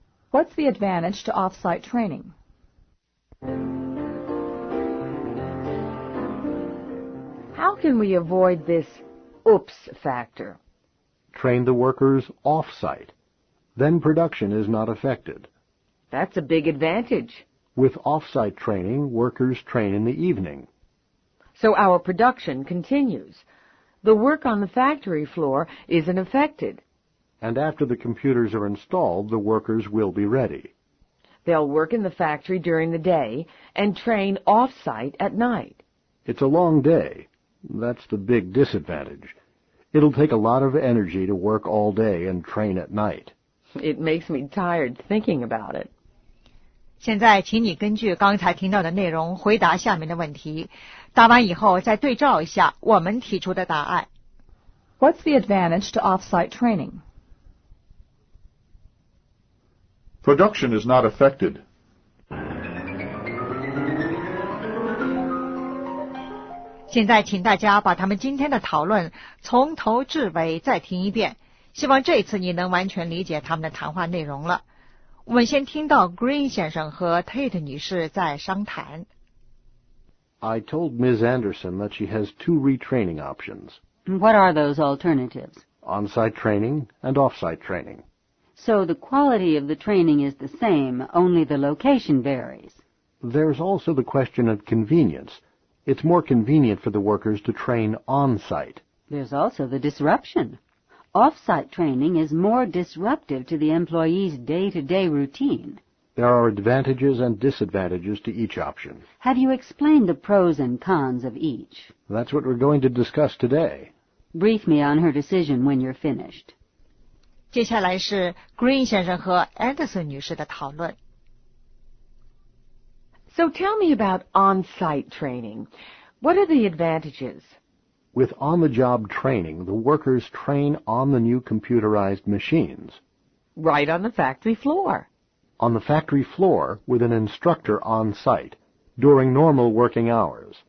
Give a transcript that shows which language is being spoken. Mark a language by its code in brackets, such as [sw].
[en] What's the advantage to off-site training? How can we avoid this oops factor? Train the workers off-site. Then production is not affected. That's a big advantage. With off-site training, workers train in the evening. So our production continues. The work on the factory floor isn't affected. And after the computers are installed, the workers will be ready. They'll work in the factory during the day and train off-site at night. It's a long day. That's the big disadvantage. It'll take a lot of energy to work all day and train at night. It makes me tired thinking about it. [zh] 现在请你根据刚才听到的内容回答下面的问题，答完以后再对照一下我们提出的答案。 [en] What's the advantage to off-site training? Production is not affected. [zh] 现在请大家把他们今天的讨论从头至尾再听一遍，希望这一次你能完全理解他们的谈话内容了。我们先听到 Green 先生和 Tate 女士在商谈。 [en] I told Ms. Anderson that she has two retraining options. What are those alternatives? On-site training and off-site training. So the quality of the training is the same, only the location varies. There's also the question of convenience. It's more convenient for the workers to train on-site. There's also the disruption. Off-site training is more disruptive to the employee's day-to-day routine. There are advantages and disadvantages to each option. Have you explained the pros and cons of each? That's what we're going to discuss today. Brief me on her decision when you're finished. [zh] 接下来是 Green 先生和 Anderson 女士的讨论。 [en] So tell me about on-site training. What are the advantages? With on-the-job training, the workers train on the new computerized machines. Right on the factory floor. On the factory floor with an instructor on-site during normal working hours.